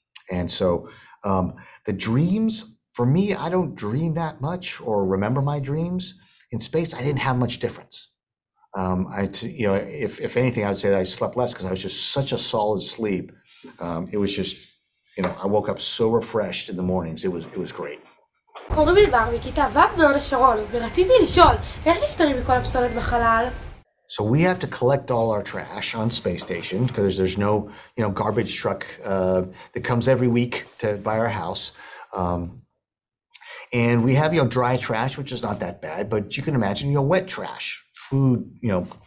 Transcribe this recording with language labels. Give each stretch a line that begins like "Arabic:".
English: And so the dreams, for me, I don't dream that much or remember my dreams. In space, I didn't have much difference. If anything, I would say that I slept less because I was just such a solid sleep. It was just, you know, I woke up so refreshed in the mornings. It was great.
Hebrew: קוראים לי בר, מכיתה ו' בהוד השרון, ורציתי לשאול, איך נפטרים מכל הפסולת בחלל?
English: So we have to collect all our trash on space station because there's no, you know, garbage truck that comes every week to by our house. And we have, you know, dry trash, which is not that bad, but you can imagine, you know, wet trash, food, you know,